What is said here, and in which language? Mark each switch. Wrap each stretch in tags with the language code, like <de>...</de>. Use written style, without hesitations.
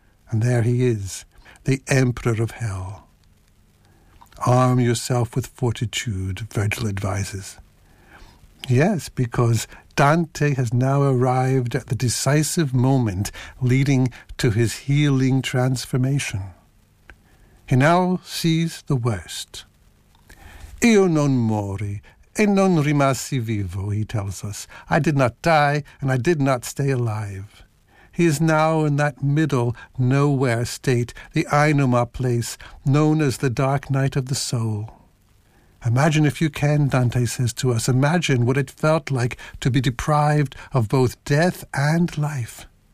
<en>And there he is, the emperor of hell. "Arm yourself with fortitude," Virgil advises. Yes, because Dante has now arrived at the decisive moment leading to his healing transformation. He now sees the worst.</en> <it>"Io non mori e non rimasi vivo,"</it> <en>he tells us. "I did not die and I did not stay alive." He is now in that middle nowhere state, the Einuma place, known as the dark night of the soul. "Imagine if you can," Dante says to us, "imagine what it felt like to be deprived of both death and life."</en>